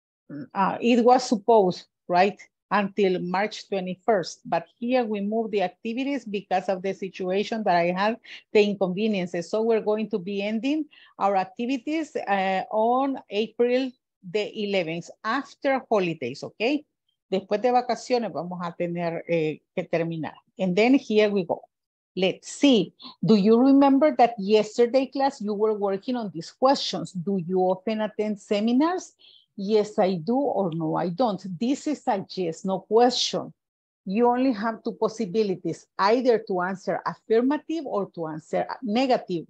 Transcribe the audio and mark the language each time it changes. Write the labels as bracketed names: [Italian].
[English] It was supposed, right, until March 21st. But here we move the activities because of the situation that I had, the inconveniences. So we're going to be ending our activities on April the 11th, after holidays, okay? [Spanish] Después de vacaciones vamos a tener que terminar. [English] And then here we go. Let's see. Do you remember that yesterday class you were working on these questions? Do you often attend seminars? Yes, I do, or no, I don't. This is a yes, no question. You only have two possibilities, either to answer affirmative or to answer negative.